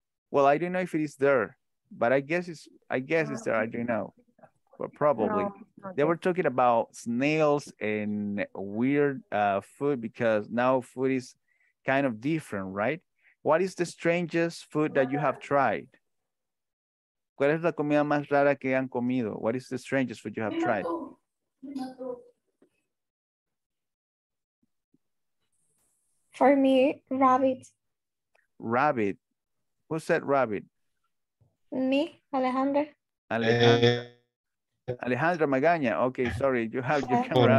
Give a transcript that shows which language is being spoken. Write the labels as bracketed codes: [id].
[en] Well, I don't know if it is there, but I guess it's there. I don't know. But probably they were talking about snails and weird food, because now food is kind of different, right? What is the strangest food that you have tried? [es] ¿Cuál es la comida más rara que han comido? [en] What is the strangest food you have tried? For me, rabbit. Rabbit. Who said rabbit? Me, Alejandra. Alejandra Magaña, okay, sorry, you have your camera.